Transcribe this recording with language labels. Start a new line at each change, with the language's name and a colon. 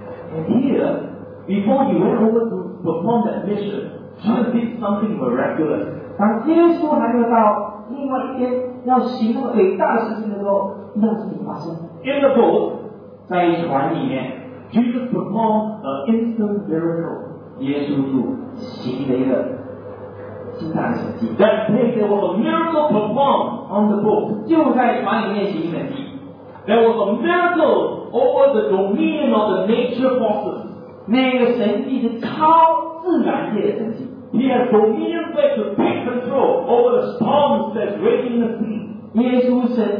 English: And here, before he went over to perform that mission, Jesus did something miraculous.
Chinese: 当耶稣还没有到。另外一天要行伟大的事情的时候，那是怎么发生？
English: In the boat,
Chinese: 在船里面，
English: Jesus performed an instant miracle.
Chinese: 耶稣就行了一个惊大的神迹。
English: That day there was a miracle performed on the boat.
Chinese: 就在船里面行神迹。
English: There was a miracle over the dominion of the nature forces.
Chinese: 那个神迹是超自然界的神迹。
English: He has dominion back to take control over the storms that are raging in the sea.